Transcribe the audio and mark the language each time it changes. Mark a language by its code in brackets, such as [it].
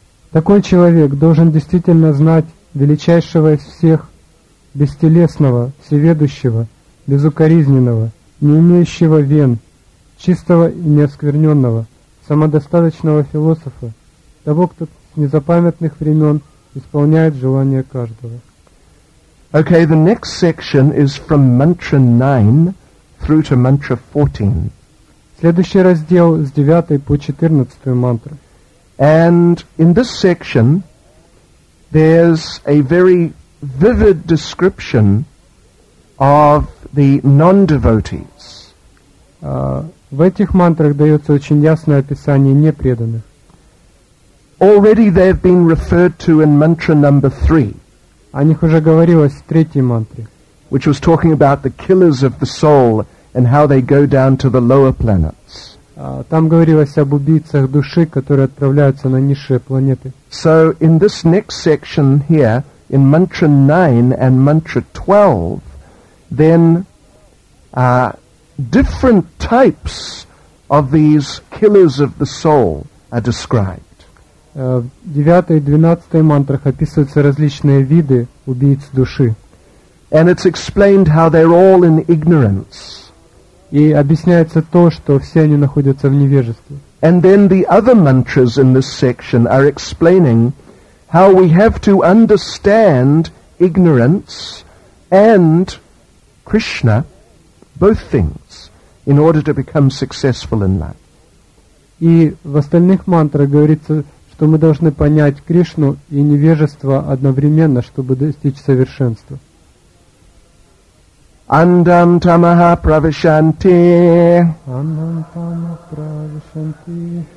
[ru] Такой человек должен действительно знать величайшего из всех, бестелесного, всеведущего, безукоризненного, не имеющего вен, чистого и неоскверненного, самодостаточного философа, того, кто незапамятных времен исполняет желание каждого. [en] Okay, the next section is from mantra 9 through to mantra 14. [ru] Следующий раздел с 9 по 14 мантру. [en] And in this section there's a very vivid description of the non-devotees. [ru] В этих мантрах дается очень ясное описание непреданных. [en] Already they have been referred to in mantra number 3. [ru] О них уже говорилось в третьей мантре. [en] Which was talking about the killers of the soul and how they go down to the lower planets. [ru] Там говорилось об убийцах души, которые отправляются на низшие планеты. [en] So in this next section here, in mantra 9 and mantra 12, then different types of these killers of the soul are described. [ru] В 9 и 12 мантрах описываются различные виды убийц души. [en] And it's explained how they're all in ignorance. [ru] И объясняется то, что все они находятся в невежестве. [en] And then the other mantras in this section are explaining how we have to understand ignorance and Krishna, both things, in order to become successful in life. [ru] И в остальных мантрах говорится, то мы должны понять Кришну и невежество одновременно, чтобы достичь совершенства. [sa] Андам тамаха правишанти. Андам тамаха правишанти.